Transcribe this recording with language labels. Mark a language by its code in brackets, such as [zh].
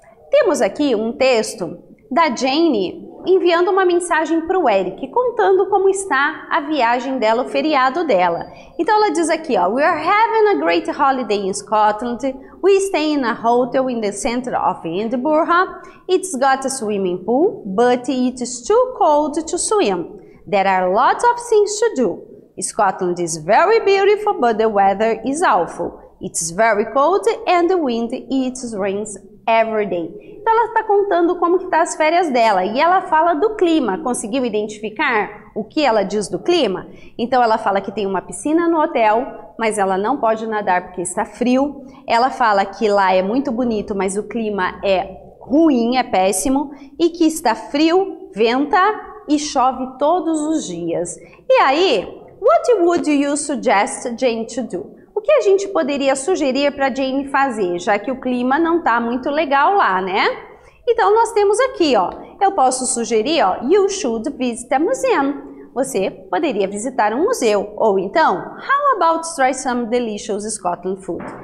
[pt] Temos aqui um texto da Jane enviando uma mensagem para o Eric, contando como está a viagem dela, o feriado dela. Então ela diz aqui, ó, [en] we are having a great holiday in Scotland. We stay in a hotel in the center of Edinburgh. It's got a swimming pool, but it's too cold to swim. There are lots of things to do. Scotland is very beautiful, but the weather is awful. It's very cold and the wind it's rains every day. [pt] Então ela está contando como que está as férias dela e ela fala do clima. Conseguiu identificar o que ela diz do clima? Então ela fala que tem uma piscina no hotel, mas ela não pode nadar porque está frio. Ela fala que lá é muito bonito, mas o clima é ruim, é péssimo e que está frio, venta e chove todos os dias. E aí, [en] what would you suggest Jane to do? [pt] O que a gente poderia sugerir para Jane fazer, já que o clima não está muito legal lá, né? Então nós temos aqui, ó. Eu posso sugerir, ó, [en] you should visit a museum. [pt] Você poderia visitar um museu. Ou então, [en] how about try some delicious Scotland food?